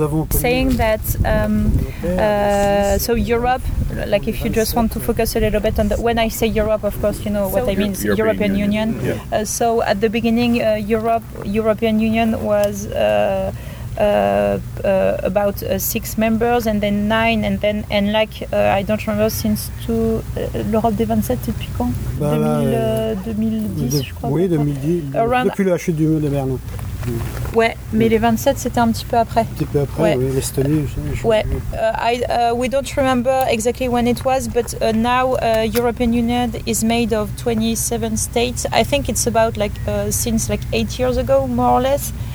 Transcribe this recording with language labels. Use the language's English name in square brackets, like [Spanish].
[English] Saying that, so Europe, like if you just want to focus a little bit on that, when I say Europe, of course, you know what I mean, European Union. Yeah. So at the beginning, European Union was about 6 members, and then 9, and then, and like, I don't remember, since 2, [French] l'Europe des 27, depuis quand? 2010, je crois. Oui, 2010, depuis la chute du mur de Berlin. Ouais, mais les 27, c'était un petit peu après. Un petit peu après, ouais. Oui, l'Estonie. [English] Ouais, we don't remember exactly when it was, but now European Union is made of 27 states. I think it's about like since like 8 years ago, more or less.